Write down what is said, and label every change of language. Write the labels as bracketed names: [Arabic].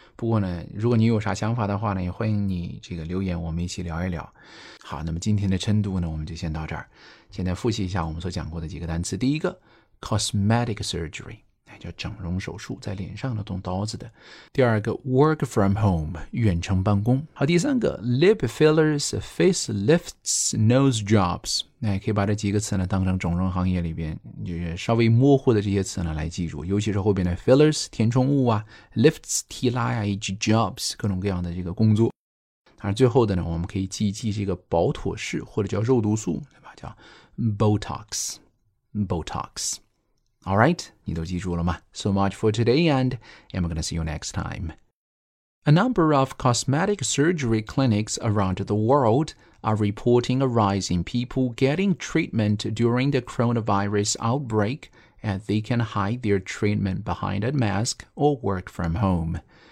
[Chinese] 不过呢，如果你有啥想法的话呢，也欢迎你这个留言，我们一起聊一聊。好，那么今天的晨读呢，我们就先到这儿。现在复习一下我们所讲过的几个单词。第一个 ，cosmetic surgery。叫整容手术，在脸上的动刀子的。第二个 work from home 远程办公。 [English] 好，第三个 lip fillers, facelifts, nose jobs。 [Chinese] 那可以把这几个词呢当成整容行业里边就是稍微模糊的这些词呢来记住，尤其是后边的 fillers 填充物啊 ，lifts 提拉呀，以及 jobs 各种各样的这个工作。而最后的呢，我们可以记一记这个保妥适或者叫肉毒素，对吧？叫 Botox。 Alright, 你都记住了吗? [English] So much for today and I'm gonna see you next time. A number of cosmetic surgery clinics around the world are reporting a rise in people getting treatment during the coronavirus outbreak as they can hide their treatment behind a mask or work from home.